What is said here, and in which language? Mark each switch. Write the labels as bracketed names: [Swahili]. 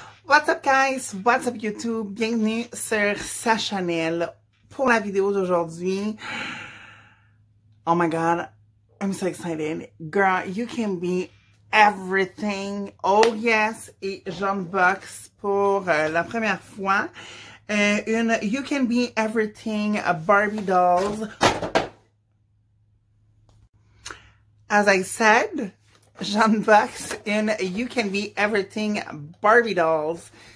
[English] What's up guys, what's up YouTube, [French] bienvenue sur sa Chanel pour la vidéo d'aujourd'hui. [English] Oh my god, I'm so excited. Girl, you can be everything. Oh yes, [French] et j'unbox pour la première fois une You Can Be Everything Barbie Dolls. [English] As I said, [French] j'unbox une You Can Be Everything Barbie Dolls.